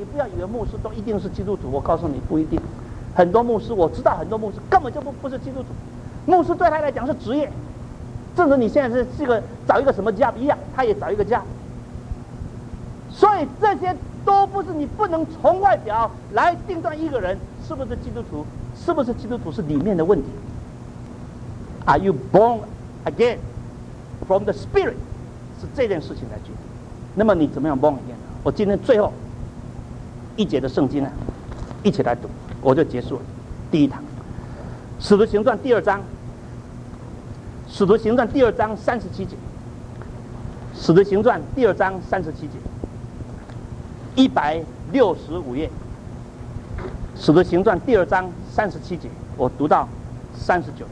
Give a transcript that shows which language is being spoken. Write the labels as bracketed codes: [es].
[zh] 你不要以为牧师都一定是基督徒，我告诉你不一定。很多牧师，我知道很多牧师根本就不是基督徒，牧师对他来讲是职业，正如你现在是个找一个什么家一样，他也找一个家。所以这些都不是，你不能从外表来定断一个人是不是基督徒。是不是基督徒是里面的问题。 [en] Are you born again from the Spirit？ [zh] 是这件事情来决定。那么你怎么样 born again？ 我今天最后一节的圣经呢，一起来读，我就结束了第一堂。使徒行传第二章，使徒行传第二章三十七节，使徒行传第二章三十七节，165页，使徒行传第二章三十七节，我读到39节。